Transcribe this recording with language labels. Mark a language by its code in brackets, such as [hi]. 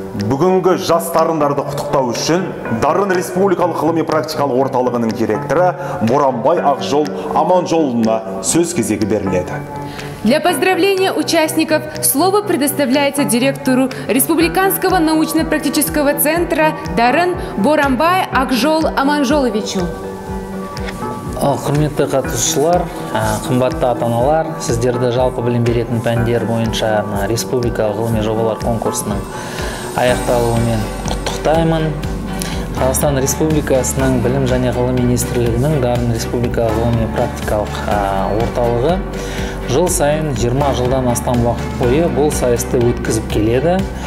[kk] бүгінгі жастарындарды құтықтау үшін Дарын Республикалық ғылыми практикалық орталығының директоры Боранбай Ақжол Аманжолына сөз кезегі беріледі. [ru] Для поздравления участников слово предоставляется директору Республиканского научно-практического центра Дарын Боранбай Ақжол Аманжоловичу. [kk] Құрметті қатысушылар, қымбатты ата-аналар, сіздерді жалпы білім беретін пәндер бойынша Республикалық ғылыми жобалар конкурсының аяқталуымен құттықтаймын. Қазақстан Республикасының білім және ғылым министрлігінің Дарын Республикалық ғылыми практикалық орталығы жыл сайын 20 жылдан астам уақыт бойы бұл сайысты өткізіп келеді.